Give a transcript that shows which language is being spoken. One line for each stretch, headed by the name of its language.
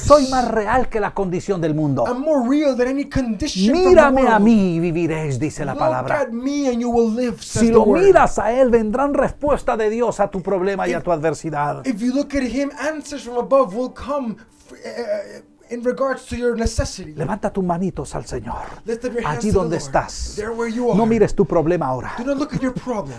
Spanish: Soy más real que la condición del mundo.
English: I'm more real than any condition.
Spanish: Mírame
English: the world.
Spanish: A mí y viviréis, dice la
English: look
Spanish: palabra.
English: At me and you will live, says
Spanish: si lo
English: the word.
Spanish: Miras a él, vendrán respuesta de Dios a tu problema y a tu adversidad.
English: If you look at him, answers from above will come. In regards to your necessity.
Spanish: Levanta tus manitos al Señor.
English: Lift up your hands
Spanish: allí donde
English: to the
Spanish: estás.
English: Lord, there where you are.
Spanish: No mires tu problema ahora.
English: Do not look at your problem.